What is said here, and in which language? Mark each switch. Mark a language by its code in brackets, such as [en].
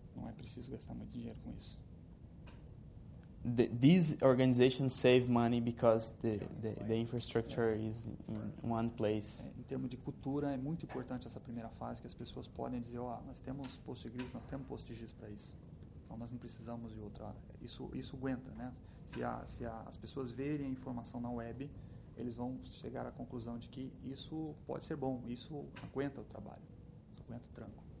[pt] Não é preciso gastar muito dinheiro com isso. [en] These organizations save money because the infrastructure is in one place. [pt] Em termos de cultura, é muito importante essa primeira fase, que as pessoas podem dizer, ó, nós temos PostGIS, nós temos PostGIS para isso. Então, nós não precisamos de outra. Isso aguenta, né? Se as pessoas verem a informação na web, eles vão chegar à conclusão de que isso pode ser bom, isso aguenta o trabalho, isso aguenta o tranco.